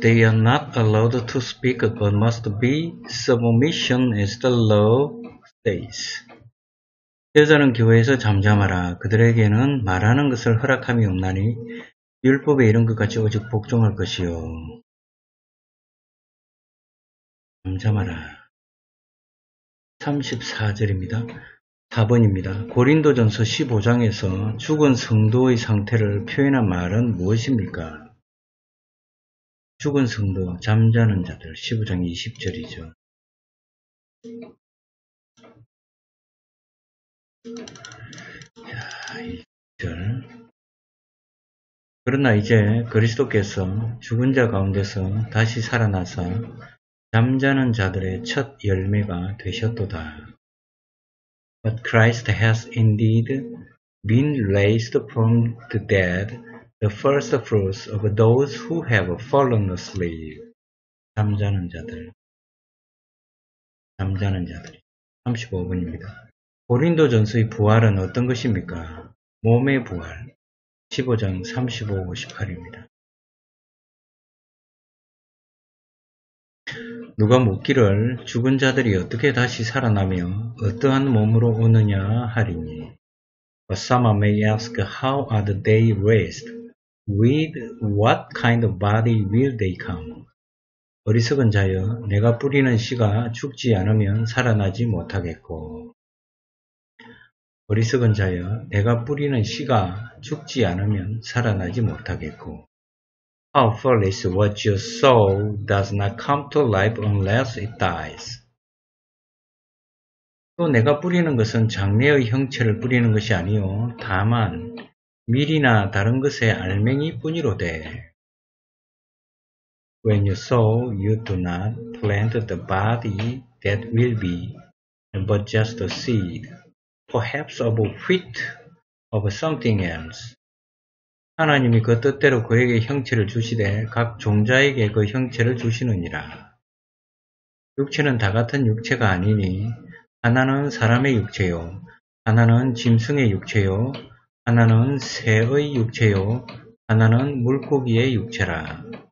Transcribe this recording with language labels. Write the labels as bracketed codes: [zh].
[en] They are not allowed to speak, but must be submission as the law says. [ko] 여자는 교회에서 잠잠하라. 그들에게는 말하는 것을 허락함이 없나니 율법에 이런 것 같이 오직 복종할 것이요. 잠잠하라. 34절입니다. 4번입니다. 고린도전서 15장에서 죽은 성도의 상태를 표현한 말은 무엇입니까? 죽은 성도, 잠자는 자들. 15장 20절이죠. 20절. 그러나 이제 그리스도께서 죽은 자 가운데서 다시 살아나서 잠자는 자들의 첫 열매가 되셨도다. [en] But Christ has indeed been raised from the dead, the first fruits of those who have fallen asleep. [ko] 잠자는 자들. 잠자는 자들. 35분입니다. 고린도전서의 부활은 어떤 것입니까? 몸의 부활. 15장 35, 58입니다. 누가 묻기를 죽은 자들이 어떻게 다시 살아나며 어떠한 몸으로 오느냐 하리니. [en] But some may ask, how are they raised? With what kind of body will they come? [ko] 어리석은 자여, 내가 뿌리는 씨가 죽지 않으면 살아나지 못하겠고. 어리석은 자여, 내가 뿌리는 씨가 죽지 않으면 살아나지 못하겠고. [en] How foolish what you sow does not come to life unless it dies. [ko] 또 내가 뿌리는 것은 장래의 형체를 뿌리는 것이 아니오. 다만 밀이나 다른 것의 알맹이 뿐이로되. [en] When you sow, you do not plant the body that will be, but just the seed, perhaps of wheat, of something else. [ko] 하나님이 그 뜻대로 그에게 형체를 주시되 각 종자에게 그 형체를 주시느니라. 육체는 다 같은 육체가 아니니 하나는 사람의 육체요, 하나는 짐승의 육체요, 하나는 새의 육체요, 하나는 물고기의 육체라.